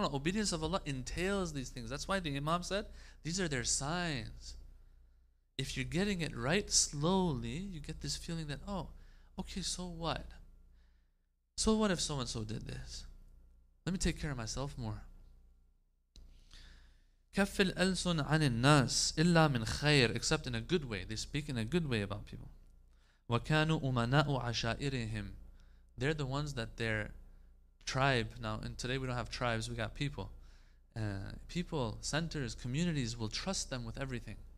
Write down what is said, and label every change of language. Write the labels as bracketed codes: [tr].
[en] Obedience of Allah entails these things. That's why the Imam said, these are their signs. If you're getting it right slowly, you get this feeling that, oh, okay, so what? So what if so-and-so did this? Let me take care of myself more. [ar] كَفِّ الْأَلْسُنْ عَنِ النَّاسِ إِلَّا مِنْ خَيْرٍ [en] Except in a good way. They speak in a good way about people. [ar] وَكَانُوا أُمَنَاءُ عَشَائِرِهِمْ [en] They're the ones that their tribe, now and today we don't have tribes, we got people. People, centers, communities will trust them with everything.